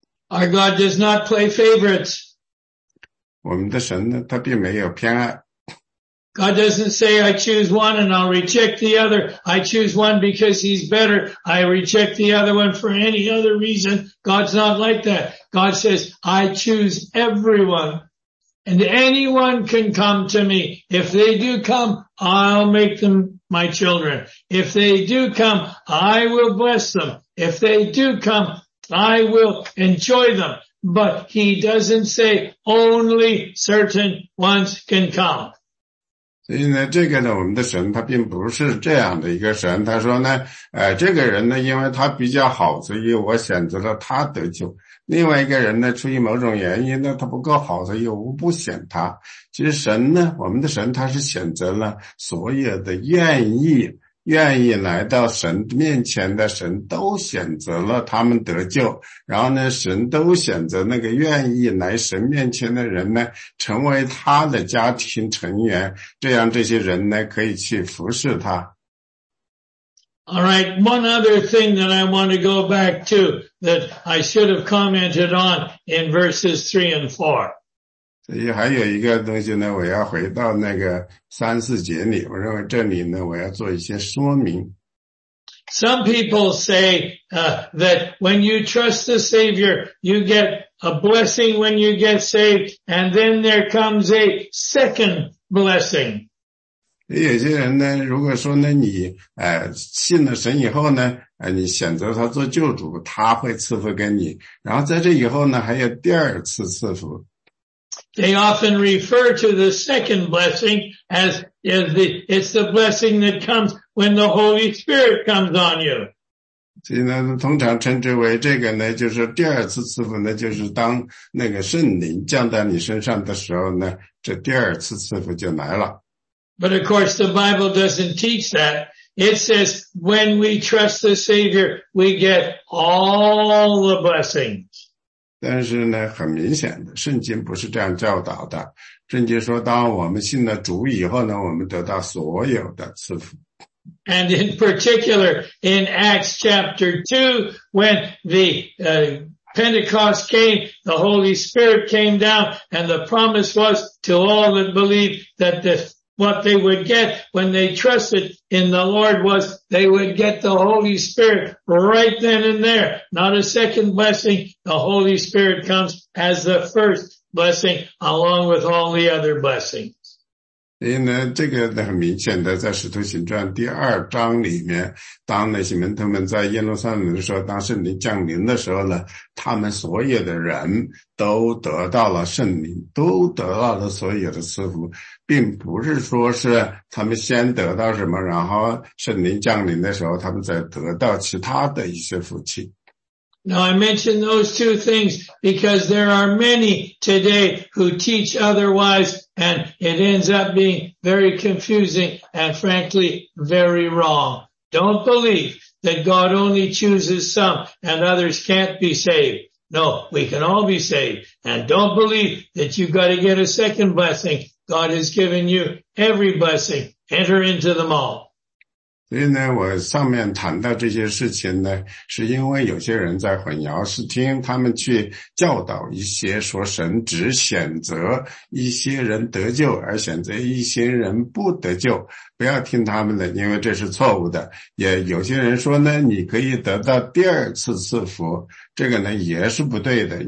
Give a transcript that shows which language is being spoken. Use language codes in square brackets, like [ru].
[en] Our God does not play favorites. [zh] 我们的神呢，他并没有偏爱。 [en] God doesn't say, I choose one and I'll reject the other. I choose one because he's better. I reject the other one for any other reason. God's not like that. God says, I choose everyone. And anyone can come to me. If they do come, I'll make them my children. If they do come, I will bless them. If they do come, I will enjoy them. But he doesn't say, only certain ones can come. [zh] 所以呢，这个呢，我们的神他并不是这样的一个神。他说呢，这个人呢，因为他比较好，所以我选择了他得救。另外一个人呢，出于某种原因呢，他不够好，所以我不选他。其实神呢，我们的神他是选择了所有的愿意来到神面前的神都选择了他们得救，然后呢，神都选择那个愿意来神面前的人呢，成为他的家庭成员，这样这些人呢，可以去服侍他。 [en] All right, one other thing that I want to go back to that I should have commented on in verses 3 and 4. [zh] 所以还有一个东西呢，我要回到那个三四节里，我认为这里呢，我要做一些说明。 [en] Some people say, that when you trust the Savior, you get a blessing when you get saved, and then there comes a second blessing. [zh] 有些人呢，如果说呢，你信了神以后呢，你选择他做救主，他会赐福给你，然后在这以后呢，还有第二次赐福。 [en] They often refer to the second blessing as it's the blessing that comes when the Holy Spirit comes on you. [zh] 所以呢，通常称之为这个呢，就是第二次赐福呢，就是当那个圣灵降到你身上的时候呢，这第二次赐福就来了。 [en] But of course, the Bible doesn't teach that. It says, when we trust the Savior, we get all the blessings. [zh] 但是呢，很明显的，圣经不是这样教导的。圣经说，当我们信了主以后呢，我们得到所有的赐福。 [en] And in particular, in Acts chapter 2, when the Pentecost came, the Holy Spirit came down, and the promise was to all that believed that this, what they would get when they trusted in the Lord was they would get the Holy Spirit right then and there. Not a second blessing. The Holy Spirit comes as the first blessing along with all the other blessings. [zh] 所以呢，这个很明显的，在《使徒行传》第二章里面，当那些门徒们在耶路撒冷的时候，当圣灵降临的时候呢，他们所有的人都得到了圣灵，都得到了所有的赐福，并不是说是他们先得到什么，然后圣灵降临的时候，他们再得到其他的一些福气。 [en] Now I mention those two things because there are many today who teach otherwise and it ends up being very confusing and frankly very wrong. Don't believe that God only chooses some and others can't be saved. No, we can all be saved. And don't believe that you've got to get a second blessing. God has given you every blessing. Enter into them all. [zh] 所以呢，我上面谈到这些事情呢，是因为有些人在混淆视听，他们去教导一些说神只选择一些人得救，而选择一些人不得救。不要听他们的，因为这是错误的。也有些人说呢，你可以得到第二次赐福，这个呢也是不对的。